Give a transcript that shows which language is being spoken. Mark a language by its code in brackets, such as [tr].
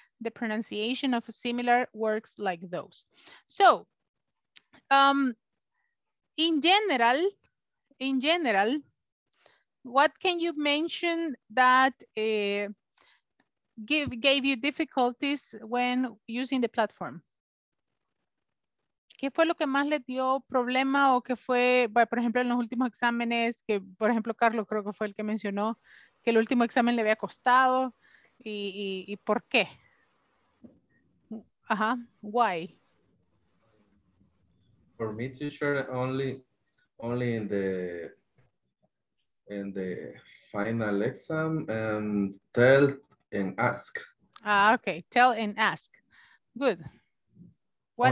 [en] The pronunciation of similar words like those. So, in general, what can you mention that gave you difficulties when using the platform? [es] ¿Qué fue lo que más le dio problema o qué fue, bueno, por ejemplo, en los últimos exámenes, que por ejemplo, Carlos creo que fue el que mencionó que el último examen le había costado y por qué? [en] Ajá, why? For me, teacher, only in the final exam and tell and ask. Ah, okay, tell and ask. Good. What